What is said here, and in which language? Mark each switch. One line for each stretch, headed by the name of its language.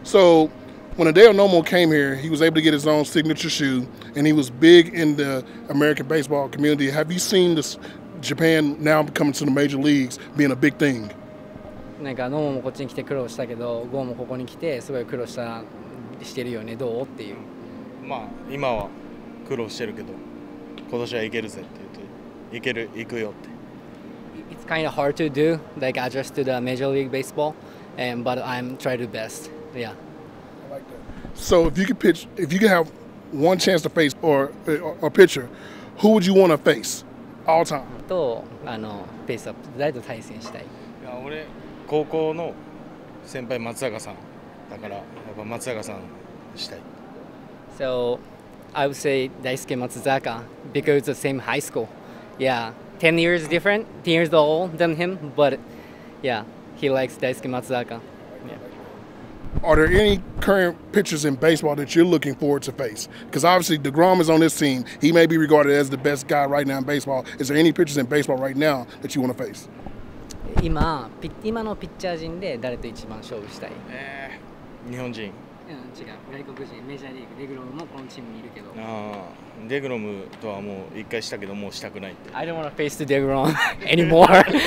English: So, when Hideo Nomo came here, he was able to get his own signature shoe, and he was big in the American baseball community. Have you seen this Japan now coming to the major leagues being a big thing?
Japanese: なんかノモもこっちに来て苦労したけど、ゴーもここに来てすごい苦労したしてるよね、どうっていう。まあ、今は苦労してるけど、今年はいけるぜって。
English: It's kind of hard to do, like adjust to the Major League Baseball, but I'm trying the best. Yeah. I like that. So if you could have one chance to face or a pitcher, who would you want to face all time?
Japanese: と、あの、ペースアップ、誰と対戦したい？いや、俺、高校の先輩松坂さん。だから、やっぱ松坂さんしたい。
English: So I would say 大輔松坂 because the same high school. Yeah, 10 years different, 10 years old than him, but yeah, he likes Daisuke Matsuzaka. Yeah. Are there any current pitchers in baseball that you're looking forward to face? Because obviously DeGrom is on this team. He may be regarded as the best guy right now in baseball. Is there any pitchers in baseball right now that you want to face?
Japanese: 今のピッチャー陣で誰と一番勝負したい？日本人。違う、外国人、メジャーリーグ、デグロムもこのチームにいるけど。あデグロムとはもう一回したけどもうしたくないって。
English: I don't want to face the デグロム anymore.